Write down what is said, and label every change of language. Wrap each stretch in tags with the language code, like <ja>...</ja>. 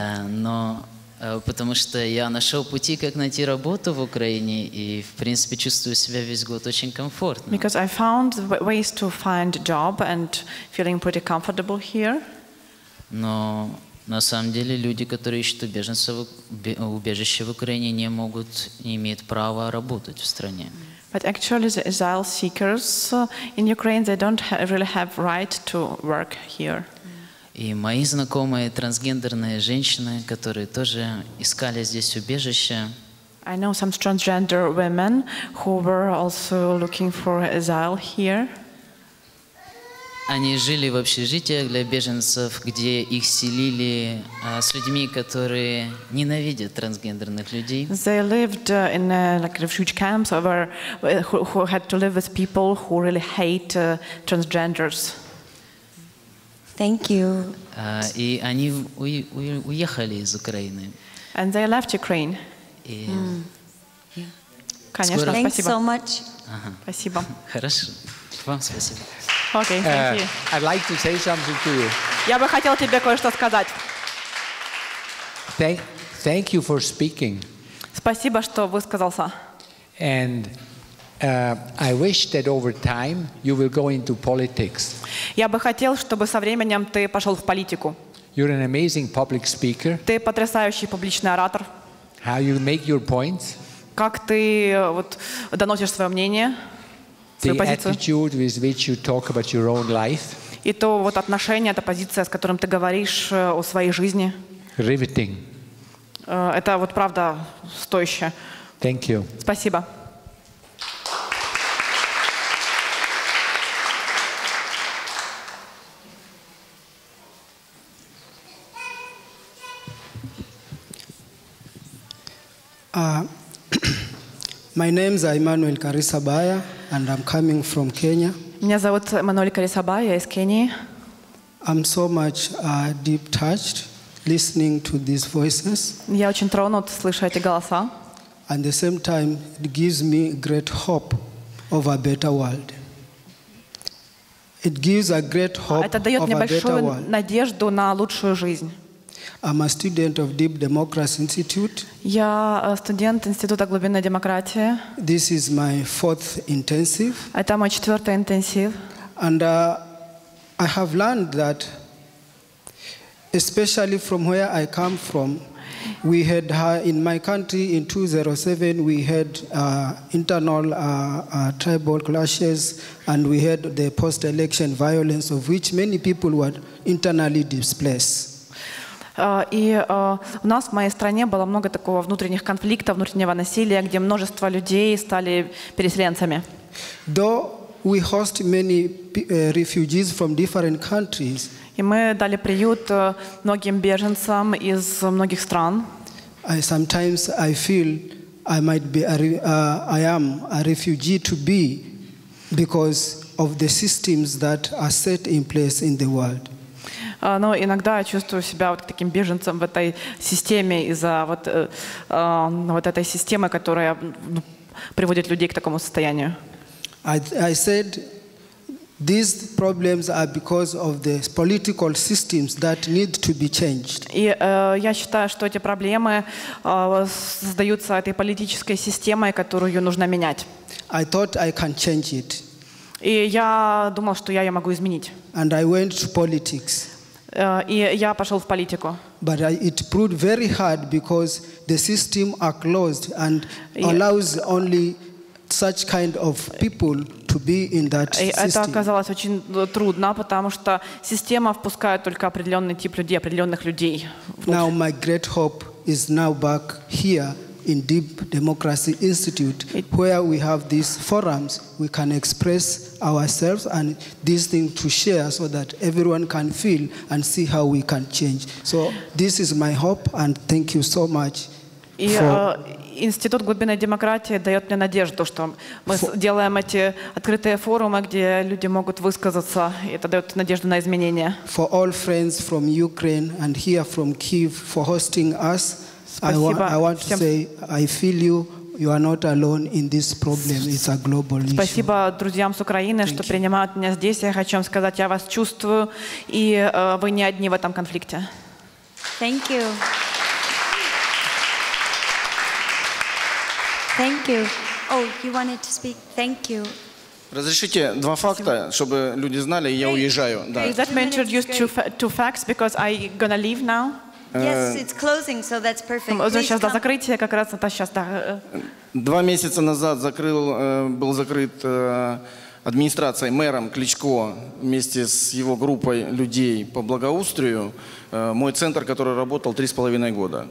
<ru>Но потому что я нашел пути, как найти работу в Украине, и, в принципе, чувствую себя весь год очень комфортно.</ru> <en>Because I found ways to find a job and feeling pretty comfortable here.</en> <ru>Но на самом деле люди, которые ищут убежище в Украине, не могут, не имеют права работать в стране.</ru> <en>But actually the asylum seekers in Ukraine, they don't really have right to work here.</en> <ru>И мои знакомые трансгендерные женщины, которые тоже искали здесь убежище.</ru> <en>I know some transgender women who were also looking for asylum here.</en> <ru>Они жили в общежитиях для беженцев, где их селили с людьми, которые ненавидят трансгендерных людей.</ru> <en>They lived in like refugee camps who had to live with people who really hate transgenders. Thank you.</en> <ru>И они уехали из Украины.</ru> <en>And they left Ukraine.</en> <ru>И... Конечно, скоро... спасибо.</ru> <en>Thanks so much.</en> <ru>Спасибо. Хорошо. Вам спасибо.</ru> <en>Okay, thank you. I'd like to say something to you.</en> <ru>Я бы хотел тебе кое-что сказать.</ru> <en>Thank you for speaking.</en> <ru>Спасибо, что высказался.</ru> <en>And I wish that over time you will go into politics.</en> <ru>Я бы хотел, чтобы со временем ты пошел в политику.</ru> <en>You're an amazing public speaker.</en> <ru>Ты потрясающий публичный оратор.</ru> <en>How you make your points?</en> <ru>Как ты доносишь свое мнение?</ru> <en>The attitude with which you talk about your own life.</en> <ru>И то отношение, эта позиция, с которым ты говоришь о своей жизни.</ru> <en>Riveting.</en> <ru>Это правда стоящее.</ru> <en>Thank you.</en> <ru>Спасибо.</ru> <en>My name is Emmanuel Karisabaya, and I'm coming from Kenya.</en> <ru>Меня зовут Эммануэль Карисабая, я из Кении.</ru> <en>I'm so much deep touched listening to these voices.</en> <ru>Я очень тронут, слыша эти голоса.</ru> <en>And at the same time, it gives me great hope of a better world. It gives a great hope of a better world.</en> <ru>Это дает мне большую надежду на лучшую жизнь.</ru> <en>I'm a student of Deep Democracy Institute.</en> <ru>Я студент Института глубинной демократии.</ru> <en>This is my fourth intensive.</en> <ru>Это мой четвертый интенсив.</ru> <en>And I have learned that, especially from where I come from, we had in my country in 2007 we had internal tribal clashes, and we had the post-election violence of which many people were internally displaced.</en> <ru>У нас в моей стране было много такого внутренних конфликтов, внутреннего насилия, где множество людей стали переселенцами.</ru> <en>Though we host many refugees from different countries,</en> <ru>и мы дали приют многим беженцам из многих стран.</ru> <en>I sometimes I feel I might be I am a refugee to be because of the systems that are set in place in the world.</en> <ru>Но иногда я чувствую себя таким беженцем в этой системе из-за этой системы, которая приводит людей к такому состоянию.</ru> <en>I said these problems are because of the political systems that need to be changed.</en> <ru>И я считаю, что эти проблемы создаются этой политической системой, которую нужно менять.</ru> <en>I thought I can change it.</en> <ru>И я думал, что я ее могу изменить.</ru> <en>And I went to politics.</en> <ru>И я пошел в политику.</ru> <en>But it proved very hard because the system are closed and allows only such kind of people to be in that system.</en> <ru>Это оказалось очень трудно, потому что система впускает только определенный тип людей, определенных людей.</ru> <en>Now my great hope is now back here in Deep Democracy Institute, where we have these forums, we can express ourselves and these things to share so that everyone can feel and see how we can change. So this is my hope and thank you so much.</en> <ru>Институт глубинной демократии дает мне надежду, что мы делаем эти открытые форумы, где люди могут высказаться, и это дает надежду на изменения.</ru> <en>For all friends from Ukraine and here from Kyiv for hosting us, I want to say I feel you. You are not alone in this problem. It's a global issue.</en> <ru>Спасибо друзьям с Украины, что принимают меня здесь. Я хочу вам сказать, я вас чувствую, и вы не одни в этом конфликте.</ru> <en>Thank you. Thank you. Oh, you wanted to speak. Thank you.</en> <ru>Разрешите два факта, чтобы люди знали, и я уезжаю. Да.</ru> <en>Is that meant to introduce two facts because I gonna leave now? Yes, it's closing, so that's perfect.</en> <ru>Уже сейчас до закрытия, как раз это сейчас. Два месяца назад был закрыт администрацией, мэром Кличко вместе с его группой людей по благоустрою. Мой центр, который работал 3,5 года.</ru>